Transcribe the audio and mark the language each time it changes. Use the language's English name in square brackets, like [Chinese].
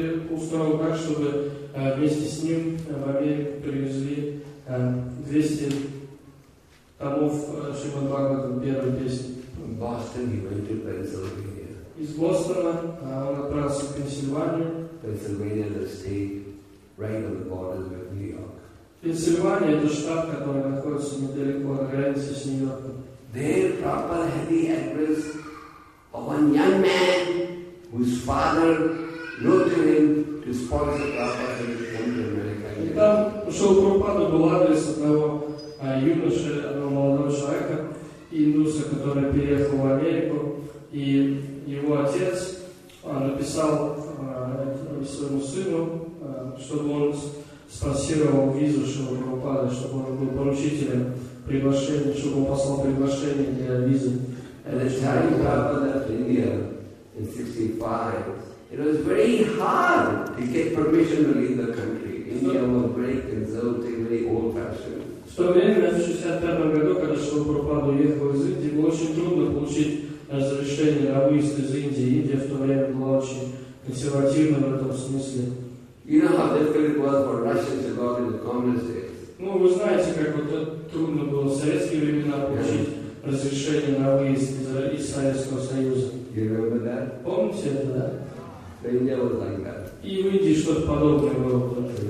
[Russian] устроил так, чтобы вместе с ним в Америку привезли 200 томов Шримад Бхагаватам, первой песни. [English] From Boston he went to Pennsylvania. [Russian] Из Бостона он отправился в Пенсильванию. [English] Pennsylvania is a state right on the border with New York. [Russian] Пенсильвания — это штат, который находится недалеко на границе с Нью-Йорком. [English] There Prabhupada had the address of one young man whose father noted him to sponsor Prabhupada in the country. [Russian] И там пришел Прабхупада, был адрес одного юноши, одного молодого человека, индуса, который переехал в Америку, и его отец написал своему сыну, чтобы он спонсировал визу Шрилы Прабхупады, чтобы он был поручителем приглашения, чтобы он послал приглашение для визы. [English] And the time Prabhupada left India in 65, it was very hard to get permission to leave the country. India was very conservative, very old-fashioned. [Russian] В то время, в 65 году, когда Шрила Прабхупада уехал из Индии, было очень трудно получить разрешение на выезд из Индии. Индия в то время была очень консервативна в этом смысле. [English] You know how difficult it was for Russians to go out in the communist days. [Russian] Ну, вы знаете, как вот трудно было в советские времена получить разрешение на выезд из Советского Союза. [English] You remember that? [Russian] Помните это, да? [English] The India was like that. [Russian] И в Индии что-то подобное было. Да?